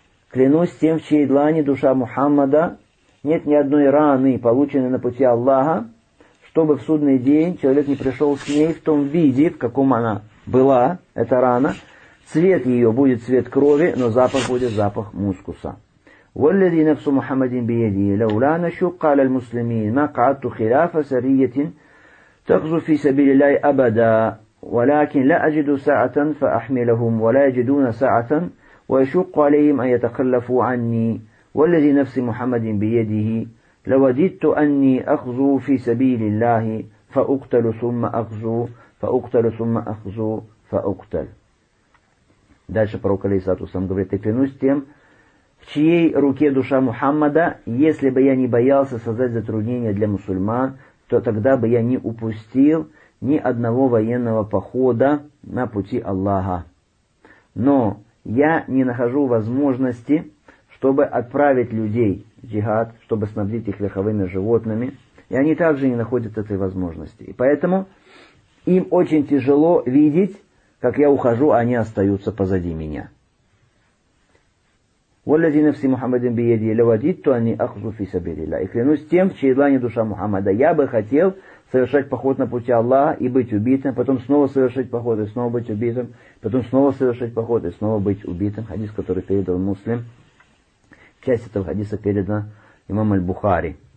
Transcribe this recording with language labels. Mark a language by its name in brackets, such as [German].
[Russian] Клянусь тем, в чьей длани душа Мухаммада, нет ни одной раны, полученной на пути Аллаха, чтобы в судный день человек не пришел с ней в том виде, в каком она была, эта рана. Цвет ее будет цвет крови, но запах будет запах мускуса. [Arabic] والذي نفس محمد بيده لولا نشق على المسلمين ما قعدت خلاف سرية تغزو في سبيل الله أبدا ولكن لا أجد ساعة فأحملهم ولا يجدون ساعة ويشق عليهم أن يتخلفوا عني والذي نفس محمد بيده لوددت أني أغزو في سبيل الله فأقتل ثم أغزو فأقتل ثم أغزو فأقتل. [Russian] Дальше пророк алейхиссалату вассалям говорит, и клянусь тем, в чьей руке душа Мухаммада, если бы я не боялся создать затруднения для мусульман, то тогда бы я не упустил ни одного военного похода на пути Аллаха. Но я не нахожу возможности, чтобы отправить людей в джихад, чтобы снабдить их верховыми животными, и они также не находят этой возможности. И поэтому им очень тяжело видеть, как я ухожу, они остаются позади меня. [Arabic] والذي نفسي محمد بيدي لوددت اني اخذ في سبيل الله. [Russian] И клянусь тем, в чьей длани душа Мухаммада, я бы хотел совершать поход на пути Аллаха и быть убитым, потом снова совершить поход и снова быть убитым, потом снова совершить поход и снова быть убитым. Хадис, который передал Муслим. Часть этого хадиса передана имам аль-Бухари.